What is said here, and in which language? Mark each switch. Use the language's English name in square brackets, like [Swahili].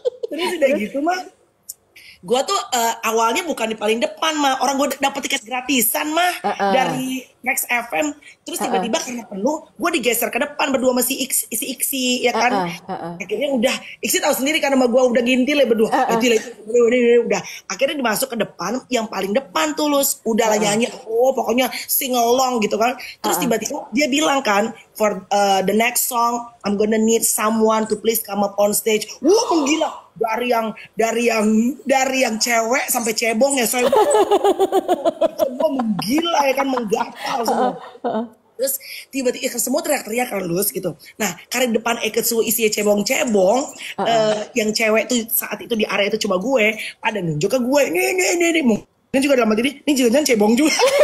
[Indonesian] Terus udah gitu mah. Gua tuh awalnya bukan di paling depan mah, orang gua dapet tiket gratisan mah dari Next FM. Terus tiba-tiba karena penuh, gua digeser ke depan berdua sama si Iksi ya kan. Akhirnya udah, Iksi tahu sendiri kan sama gua udah ngintil ya berdua. Udah. Akhirnya dimasuk ke depan, yang paling depan tuh Luz. Udah lah nyanyi, pokoknya sing along gitu kan. Terus tiba-tiba dia bilang kan, [English] for the next song, I'm gonna need someone to please come up on stage. [Indonesian] Wah, gila. Dari yang cewek sampai cebong ya, saya cebong menggila ya kan, menggatal semua. Terus tiba-tiba semua teriak-teriak kan, Luz gitu. Nah, karena depan Eketsu isinya cebong-cebong, yang cewek tuh saat itu di area itu cuma gue, pada nunjuk ke gue, ini mungkin juga dalam hati ini jangan-jangan cebong juga.